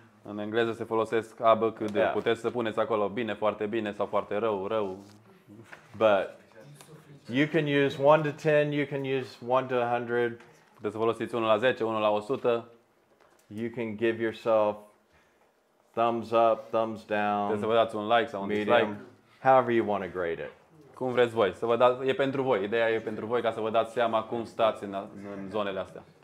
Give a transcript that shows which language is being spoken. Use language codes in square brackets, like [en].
[ro] În engleză se folosesc A, B, C, D. Yeah. Puteți să puneți acolo bine, foarte bine sau foarte rău, rău. [en] But you can use 1 to 10, you can use 1 to 100. [ro] Puteți să folosiți 1 la 10, 1 la 100. [en] You can give yourself thumbs up, thumbs down. [ro] Puteți să vă dați un like sau un medium, dislike. [en] However you want to grade it. [ro] Cum vreți voi. Să vă dați, e pentru voi. Ideea e pentru voi ca să vă dați seama cum stați în zonele astea.